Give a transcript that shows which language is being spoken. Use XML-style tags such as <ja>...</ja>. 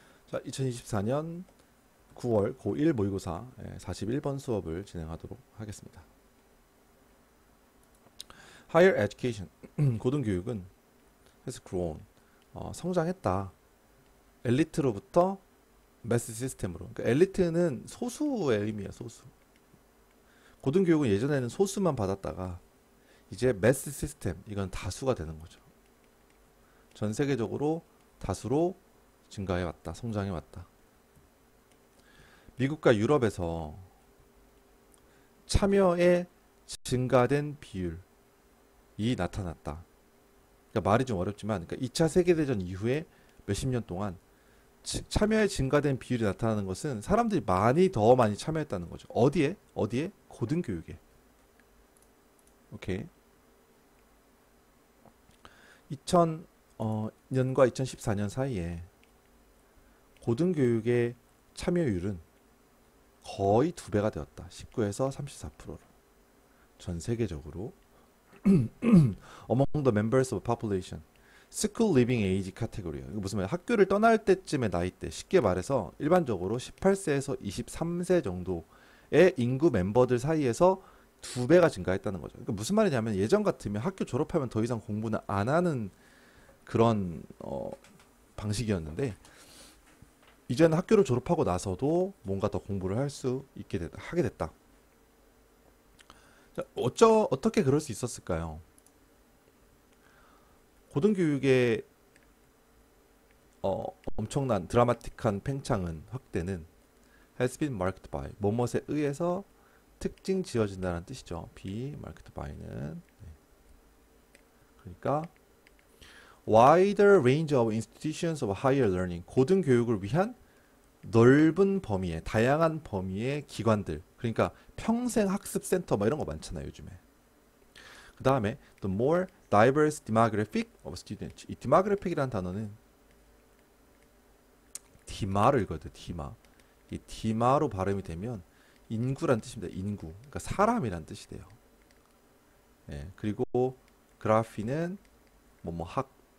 <ko>자, 2024년 9월 고1 모의고사 41번 수업을 진행하도록 하겠습니다.</ko> <en>Higher education,</en> <ko>고등교육은</ko> <en>has grown,</en> <ko>성장했다. 엘리트로부터 매스 시스템으로. 그러니까 엘리트는 소수의 의미야, 소수. 고등교육은 예전에는 소수만 받았다가 이제 매스 시스템, 이건 다수가 되는 거죠. 전 세계적으로 다수로 증가해왔다, 성장해왔다. 미국과 유럽에서 참여의 증가된 비율이 나타났다. 그러니까 말이 좀 어렵지만, 그러니까 2차 세계대전 이후에 몇십 년 동안 참여의 증가된 비율이 나타나는 것은 사람들이 많이 더 많이 참여했다는 거죠. 어디에? 어디에? 고등교육에. 오케이. 2000, 년과 2014년 사이에 고등교육의 참여율은 거의 두 배가 되었다. 19에서 34%로. 전 세계적으로.</ko> <en>Among the members of population. School Leaving Age Category.</en> <ko>이거 무슨 말이야? 학교를 떠날 때쯤의 나이대. 쉽게 말해서 일반적으로 18세에서 23세 정도의 인구 멤버들 사이에서 두 배가 증가했다는 거죠. 그러니까 무슨 말이냐면 예전 같으면 학교 졸업하면 더 이상 공부는 안 하는 그런 방식이었는데 이제는 학교를 졸업하고 나서도 뭔가 더 공부를 할수 있게 됐다, 하게 됐다. 어떻게 그럴 수 있었을까요? 고등교육의 엄청난 드라마틱한 팽창은 확대는</ko> <en>has been marked by</en> <ko>무엇에 의해서 특징 지어진다는 뜻이죠.</ko> <en>be marked by는</en> <ko>그러니까</ko> <en>wider range of institutions of higher learning</en> <ko>고등교육을 위한 넓은 범위에, 다양한 범위의 기관들. 그러니까 평생 학습 센터 막 이런 거 많잖아요, 요즘에.</ko> <en>그 다음에, the more diverse demographic of students.</en> <ko>이 demographic이라는 단어는 디마를 읽어야 돼, 디마. 이 디마로 발음이 되면 인구란 뜻입니다, 인구. 그러니까 사람이란 뜻이 돼요. 예, 그리고 graphy는 뭐뭐학.</ko>